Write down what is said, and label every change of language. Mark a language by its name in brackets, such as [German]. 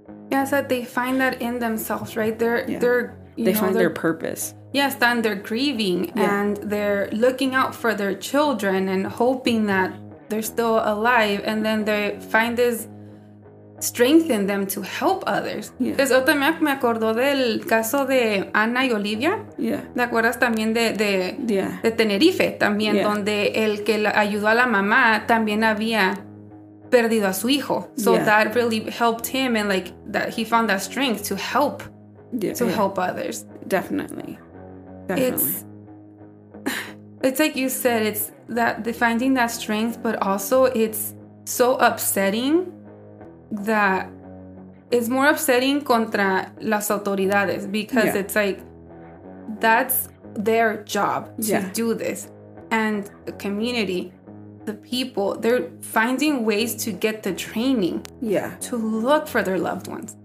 [English] Yeah, so they find that in themselves, right? They find their purpose. Yes, then they're grieving and they're looking out for their children and hoping that they're still alive. And then they find this strength in them to help others. Yeah. [Spanish] Eso también me acordó del caso de Ana y Olivia. [English] Yeah. [Spanish] ¿Te acuerdas también de Tenerife? También donde el que ayudó a la mamá también había perdido a su hijo. [English] So that really helped him, and like that he found that strength to help help others. Definitely. It's like you said, it's that the finding that strength, but also it's so upsetting that it's more upsetting [Spanish] contra las autoridades, [English] because it's like that's their job to do this, and the community, the people, they're finding ways to get the training to look for their loved ones.